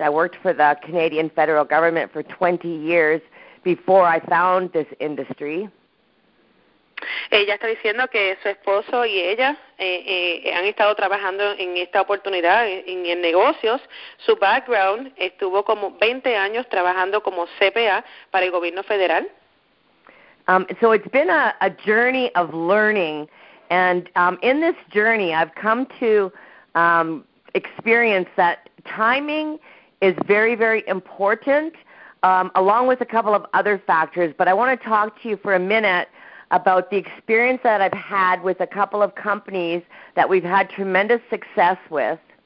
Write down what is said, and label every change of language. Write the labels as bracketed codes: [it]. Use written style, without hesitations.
[en] I worked for the Canadian federal government for 20 years before I found this industry. [es] Ella está diciendo que su esposo y ella han estado trabajando en esta oportunidad en negocios. Su background estuvo como 20 años trabajando como CPA para el gobierno federal. [en] So it's been a journey of learning. And in this journey, I've come to experience that timing is very, very important, along with a couple of other factors. But I want to talk to you for a minute about the experience that I've had with a couple of companies that we've had tremendous success with.